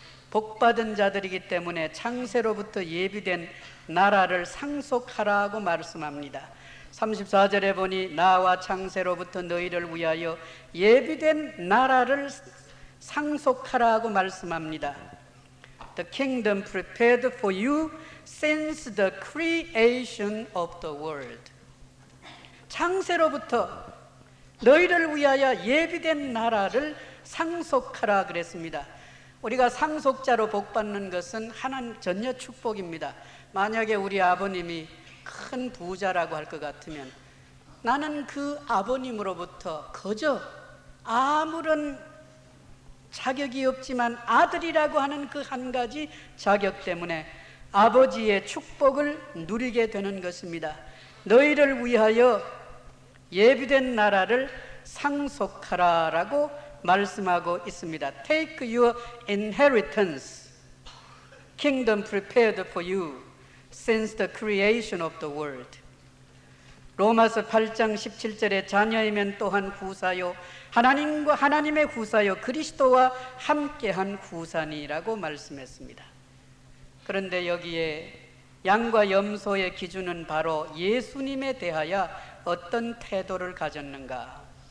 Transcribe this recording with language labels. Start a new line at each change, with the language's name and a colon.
Korean: 복받은 자들이기 때문에 창세로부터 예비된 나라를 상속하라고 말씀합니다. 34절에 보니 나와 창세로부터 너희를 위하여 예비된 나라를 상속하라고 말씀합니다.
English: The kingdom prepared for you since the creation of the world.
Korean: 창세로부터 너희를 위하여 예비된 나라를 상속하라 그랬습니다. 우리가 상속자로 복받는 것은 하나님 전혀 축복입니다. 만약에 우리 아버님이 큰 부자라고 할 것 같으면 나는 그 아버님으로부터 거저 아무런 자격이 없지만 아들이라고 하는 그 한 가지 자격 때문에 아버지의 축복을 누리게 되는 것입니다. 너희를 위하여 예비된 나라를 상속하라 라고 말씀하고 있습니다.
English: Take your inheritance, kingdom prepared for you since the creation of the world.
Korean: 로마서 8장 17절에 자녀이면 또한 후사요 하나님과 하나님의 후사요 그리스도와 함께한 후사니라고 말씀했습니다. 그런데 여기에 양과 염소의 기준은 바로 예수님에 대하여 어떤 태도를 가졌는가.